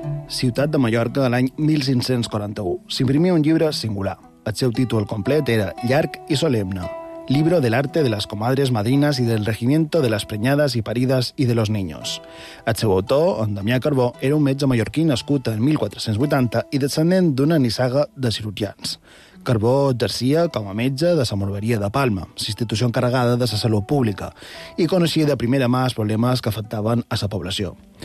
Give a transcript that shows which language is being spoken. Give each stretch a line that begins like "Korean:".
Catalan: Ciutat de Mallorca, l'any 1541. S'imprimia un llibre singular. El seu títol complet era Llarg i solemne.
Spanish: Libro del arte de las comadres madrinas y del regimiento de las preñadas y paridas y de los niños.
Catalan: El seu autor, en Damià Carbó, era un metge mallorquí nascut en 1480 i descendent d'una nissaga de cirurgians. Carbó exercia com a metge de la morveria de Palma, institució encarregada de la salut pública, i coneixia de primera mà els problemes que afectaven a la població.